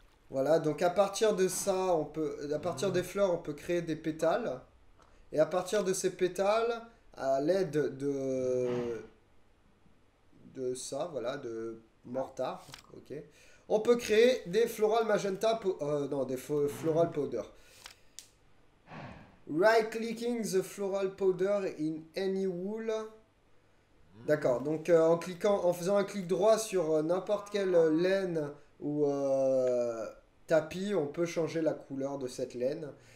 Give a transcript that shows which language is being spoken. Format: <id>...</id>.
<fr>Voilà, donc à partir de ça, on peut, à partir des fleurs, on peut créer des pétales. Et à partir de ces pétales, à l'aide de ça, voilà, de mortar, ok, on peut créer des floral magenta, non, des floral powder.</fr> <en>Right-clicking the floral powder in any wool.</en> <fr>D'accord, donc en faisant un clic droit sur n'importe quelle laine ou tapis, on peut changer la couleur de cette laine.</fr>